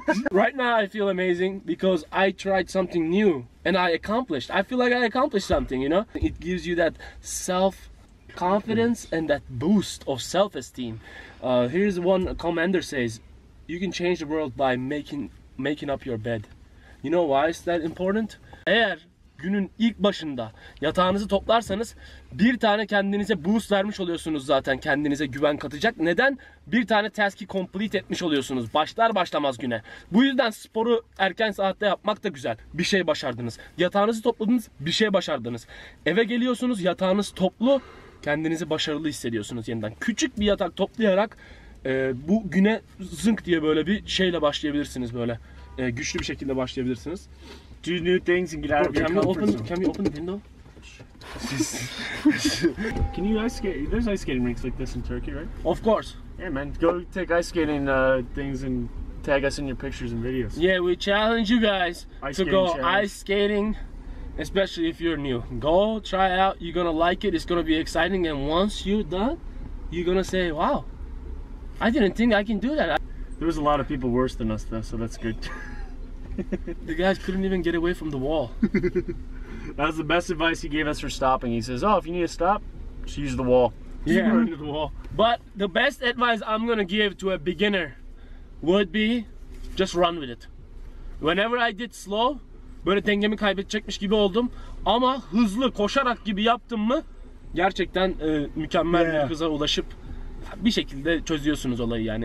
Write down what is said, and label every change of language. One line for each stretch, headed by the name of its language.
English: Right now, I feel amazing because I tried something new and I accomplished. I feel like I accomplished something, you know? It gives you that self-confidence and that boost of self-esteem. Here's one commander says, you can change the world by making up your bed. You know why is that important?
Turkish: Eğer günün ilk başında yatağınızı toplarsanız bir tane kendinize boost vermiş oluyorsunuz zaten, kendinize güven katacak. Neden? Bir tane task'i complete etmiş oluyorsunuz başlar başlamaz güne. Bu yüzden sporu erken saatte yapmak da güzel. Bir şey başardınız. Yatağınızı topladınız, bir şey başardınız. Eve geliyorsunuz, yatağınız toplu, kendinizi başarılı hissediyorsunuz yeniden. Küçük bir yatak toplayarak bu güne zınk diye böyle bir şeyle başlayabilirsiniz böyle. Güçlü bir şekilde başlayabilirsiniz.
English: Do new things and get out of your comfort zone. Can we open the window? Can you ice skate? There's ice skating rinks like this in Turkey, right? Of course. Yeah, man. Go take ice skating things and tag us in your pictures and videos. Yeah, we challenge you guys ice skating, especially if you're new. Go try out. You're gonna like it. It's gonna be exciting. And once you're done, you're gonna say, wow, I didn't think I can do that. There was a lot of people worse than us though, so that's good. The guys couldn't even get away from the wall. That was the best advice he gave us for stopping. He says, oh, if you need to stop, just use the wall. Yeah, run into the wall. But the best advice I'm gonna give to a beginner would be just run with it. Whenever I did slow,
Turkish: böyle dengemi kaybedecekmiş gibi oldum. Ama hızlı koşarak gibi yaptım mı gerçekten mükemmel bir hıza ulaşıp bir şekilde çözüyorsunuz olayı yani.